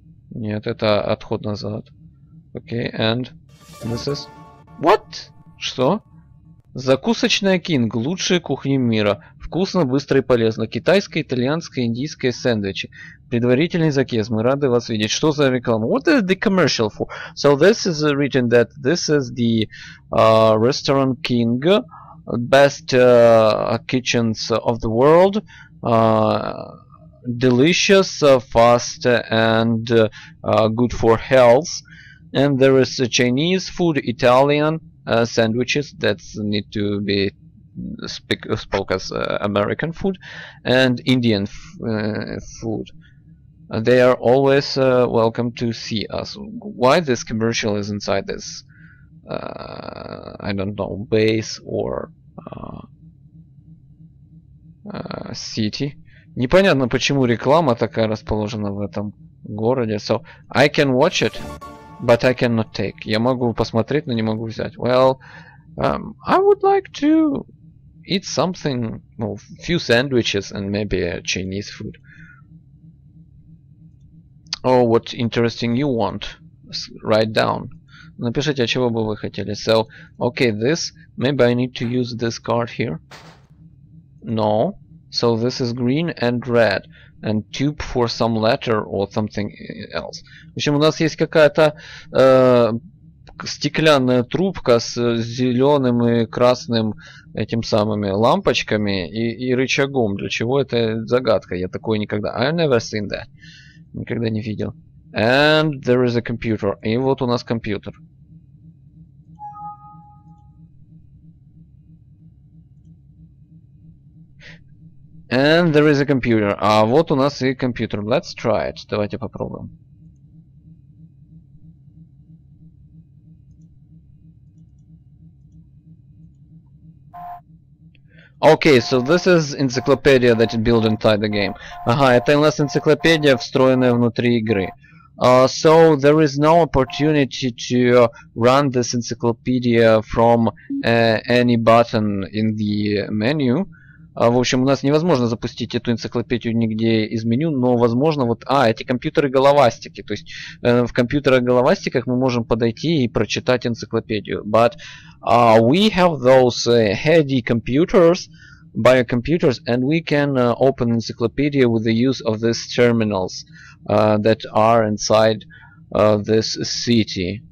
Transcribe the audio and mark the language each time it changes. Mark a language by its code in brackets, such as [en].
[ru] Нет, это отход назад. [en] Okay, and this is what? [ru] Что? Закусочная King, лучшая кухня мира. Вкусно, быстро и полезно. Китайское, итальянское, индийское сэндвичи. Предварительный заказ. Мы рады вас видеть. Что за реклама? [en] What is the commercial for? So this is written that this is the restaurant King, best kitchens of the world, delicious, fast and good for health. And there is Chinese food, Italian sandwiches that need to be spoke as American food and Indian food. They are always welcome to see us. Why this commercial is inside this I don't know, base or city? [ru] Непонятно, почему реклама такая расположена в этом городе. [en] So, I can watch it, but I cannot take. [ru] Я могу посмотреть, но не могу взять. [en] Well, I would like to eat something, well, few sandwiches and maybe Chinese food. Oh, what interesting you want? Write down. [ru] Напишите, чего бы вы хотели. [en] So, okay, this, maybe I need to use this card here. No. So this is green and red, and tube for some letter or something else. [ru] В общем, у нас есть какая-то стеклянная трубка с зеленым и красным этим самыми лампочками и рычагом. Для чего это загадка? Я такое никогда... [en] I've never seen that. [ru] Никогда не видел. [en] And there is a computer. [ru] И вот у нас компьютер. [en] And there is a computer. [ru] А вот у нас и компьютер. [en] Let's try it. [ru] Давайте попробуем. [en] Okay, so this is encyclopedia that you build inside the game. [ru] Ага, это у нас энциклопедия, встроенная внутри игры. [en] So there is no opportunity to run this encyclopedia from any button in the menu. [ru] В общем, у нас невозможно запустить эту энциклопедию нигде из меню, но возможно вот... А, эти компьютеры-головастики. То есть в компьютерах-головастиках мы можем подойти и прочитать энциклопедию. [en] But we have those heady computers, biocomputers, and we can open encyclopedia with the use of these terminals that are inside this city.